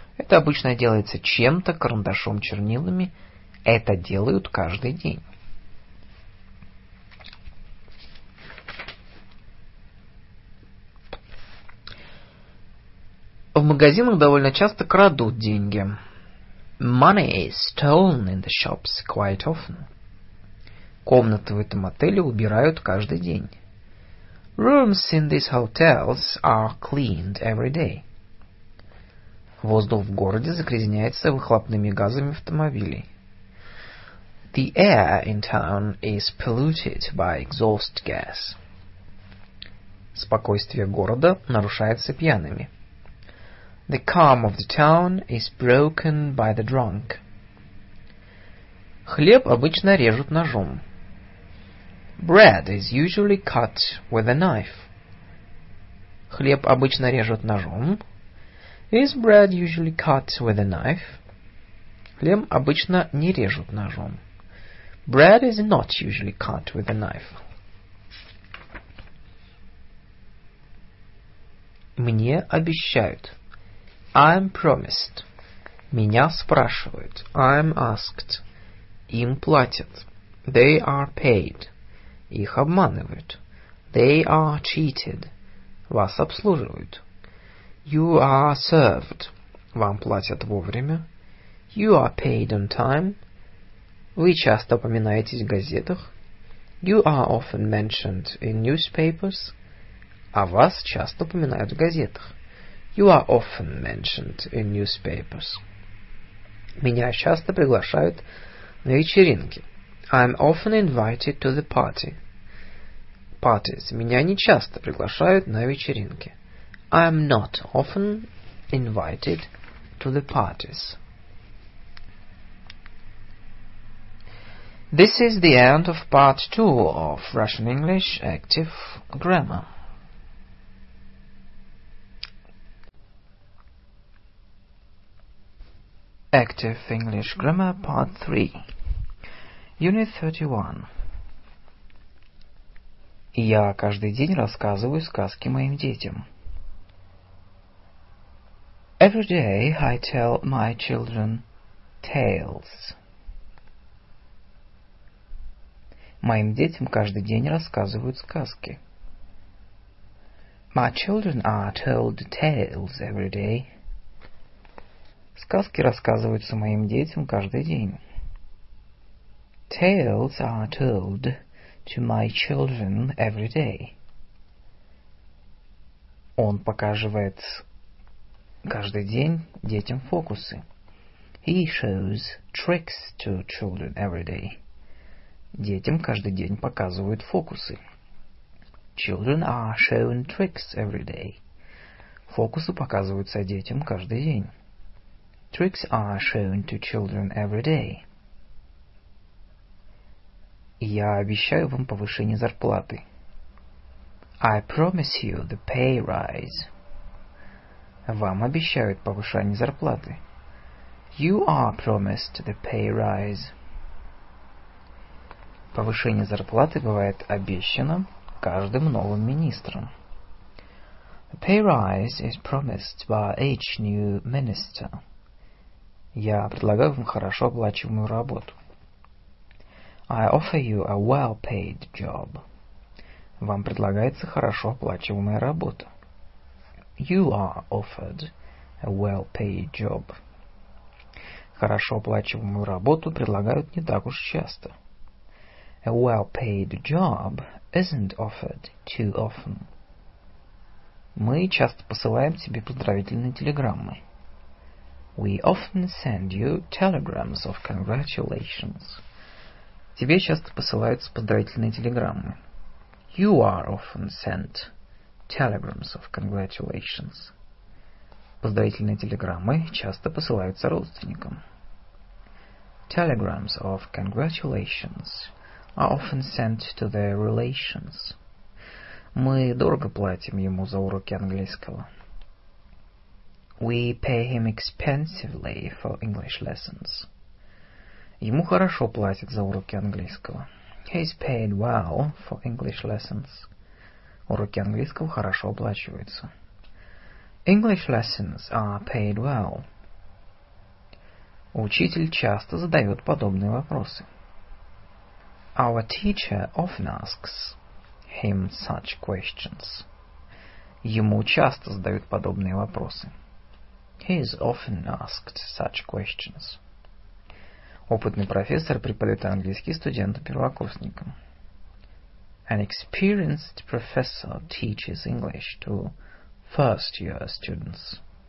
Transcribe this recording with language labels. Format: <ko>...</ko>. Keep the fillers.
<ru>Это обычно делается чем-то, карандашом, чернилами. Это делают каждый день. В магазинах довольно часто крадут деньги.</ru> <en>Money is stolen in the shops quite often.</en> <ru>Комнаты в этом отеле убирают каждый день.</ru> <en>Rooms in these hotels are cleaned every day.</en> <ru>Воздух в городе загрязняется выхлопными газами автомобилей.</ru> <en>The air in town is polluted by exhaust gas.</en> <ru>Спокойствие города нарушается пьяными.</ru> <en>The calm of the town is broken by the drunk.</en> <ru>Хлеб обычно режут ножом.</ru> <en>Bread is usually cut with a knife.</en> <ru>Хлеб обычно режут ножом.</ru> <en>Is bread usually cut with a knife?</en> <ru>Хлеб обычно не режут ножом.</ru> <en>Bread is not usually cut with a knife.</en> <ru>Мне обещают.</ru> <en>I'm promised.</en> <ru>Меня спрашивают.</ru> <en>I'm asked.</en> <ru>Им платят.</ru> <en>They are paid.</en> <ru>Их обманывают.</ru> <en>They are cheated.</en> <ru>Вас обслуживают.</ru> <en>You are served.</en> <ru>Вам платят вовремя.</ru> <en>You are paid on time.</en> <ru>Вы часто упоминаетесь в газетах.</ru> <en>You are often mentioned in newspapers.</en> <ru>А вас часто упоминают в газетах.</ru> <en>You are often mentioned in newspapers.</en> <ru>Меня часто приглашают на вечеринки.</ru> <en>I'm often invited to the party. Parties.</en> <ru>Меня не часто приглашают на вечеринки.</ru> <en>I am not often invited to the parties. This is the end of part two of Russian English Active Grammar. Active English Grammar Part 3 Unit 31</en> <ru>Я каждый день рассказываю сказки моим детям.</ru> <en>Every day I tell my children tales.</en> <ru>Моим детям каждый день рассказывают сказки.</ru> <en>My children are told tales every day.</en> <ru>Сказки рассказываются моим детям каждый день.</ru> <en>Tales are told to my children every day.</en> <ru>Он показывает каждый день детям фокусы.</ru> <en>He shows tricks to children every day.</en> <ru>Детям каждый день показывают фокусы.</ru> <en>Children are shown tricks every day.</en> <ru>Фокусы показываются детям каждый день.</ru> <en>Tricks are shown to children every day.</en> <ru>Я обещаю вам повышение зарплаты.</ru> <en>I promise you the pay rise.</en> <ru>Вам обещают повышение зарплаты.</ru> <en>You are promised the pay rise.</en> <ru>Повышение зарплаты бывает обещано каждым новым министром.</ru> <en>The pay rise is promised by each new minister.</en> <ru>Я предлагаю вам хорошо оплачиваемую работу.</ru> <en>I offer you a well-paid job.</en> <ru>Вам предлагается хорошо оплачиваемая работа.</ru> <en>You are offered a well-paid job.</en> <ru>Хорошо оплачиваемую работу предлагают не так уж часто.</ru> <en>A well-paid job isn't offered too often.</en> <ru>Мы часто посылаем тебе поздравительные телеграммы.</ru> <en>We often send you telegrams of congratulations.</en> <ru>Тебе часто посылаются поздравительные телеграммы.</ru> <en>You are often sent telegrams of congratulations.</en> <ru>Поздравительные телеграммы часто посылаются родственникам.</ru> <en>Telegrams of congratulations are often sent to their relations.</en> <ru>Мы дорого платим ему за уроки английского.</ru> <en>We pay him expensively for English lessons.</en> <ru>Ему хорошо платят за уроки английского.</ru> <en>He is paid well for English lessons.</en> <ru>Уроки английского хорошо оплачиваются.</ru> <en>English lessons are paid well.</en> <ru>Учитель часто задает подобные вопросы.</ru> <en>Our teacher often asks him such questions.</en> <ru>Ему часто задают подобные вопросы.</ru> <en>He is often asked such questions.</en> <ru>Опытный профессор преподает английский студенту-первокурсникам.</ru> <en>An experienced professor teaches English to first-year students.</en>